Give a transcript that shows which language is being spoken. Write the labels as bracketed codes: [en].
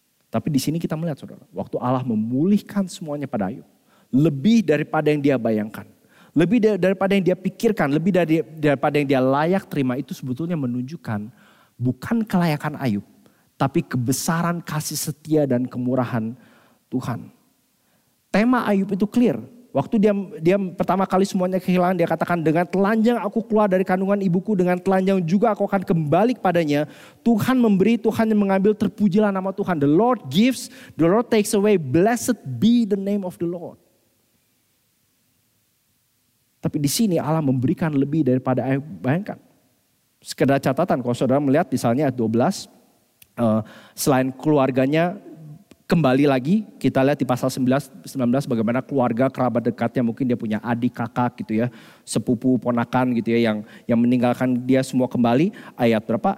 [id] Tapi di sini kita melihat saudara, waktu Allah memulihkan semuanya pada Ayub, lebih daripada yang dia bayangkan, lebih daripada yang dia pikirkan, lebih daripada yang dia layak terima, itu sebetulnya menunjukkan bukan kelayakan Ayub, tapi kebesaran kasih setia dan kemurahan Tuhan. Tema Ayub itu clear. Waktu dia pertama kali semuanya kehilangan, dia katakan dengan telanjang aku keluar dari kandungan ibuku, dengan telanjang juga aku akan kembali kepadanya. Tuhan memberi, Tuhan yang mengambil, terpujilah nama Tuhan. [en] The Lord gives, the Lord takes away, blessed be the name of the Lord. [id] Tapi di sini Allah memberikan lebih daripada Ayub. Bayangkan, sekedar catatan, kalau saudara melihat misalnya ayat 12, selain keluarganya kembali lagi, kita lihat di pasal 19 bagaimana keluarga kerabat dekatnya, mungkin dia punya adik kakak gitu ya, sepupu ponakan gitu ya, yang meninggalkan dia semua kembali. Ayat berapa?